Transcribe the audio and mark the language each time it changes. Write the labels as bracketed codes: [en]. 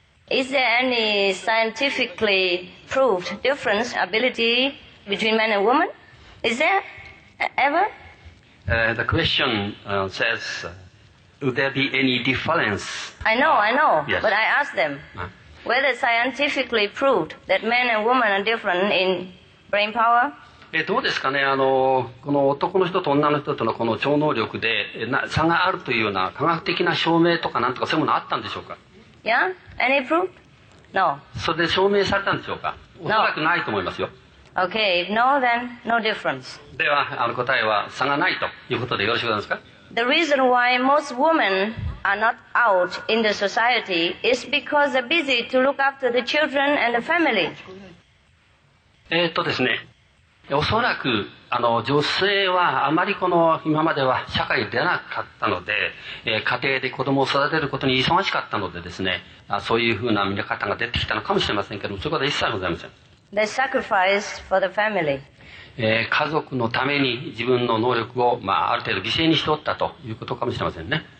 [en] Is there any scientifically proved difference ability between men and women? Is there ever? The question says, would there be any difference? I know. Yes. But I asked them. Whether scientifically proved that men and women are different in brain power? [ja] どうですかね、この男の人と女の人とのこの超能力で差があるというような科学的な証明とかなんとかそういうものあったんでしょうか? [en] Yeah? Any proof? No. [ja] それで証明されたんでしょうか? [en] No. [ja] おそらくないと思いますよ。 [en] Okay, if no, then no difference. [ja] では答えは差がないということでよろしいですか? [en] The reason why most womenare not out in the society is because they're busy to look after the children and the family. [ja] ですね、おそらく女性はあまりこの今までは社会に出なかったので、家庭で子供を育てることに忙しかったのでですね、そういうふうな見方が出てきたのかもしれませんけども、そういうことは一切ございません。 [en] They sacrifice for the family. [ja] 家族のために自分の能力を、まあ、ある程度犠牲にしておったということかもしれませんね。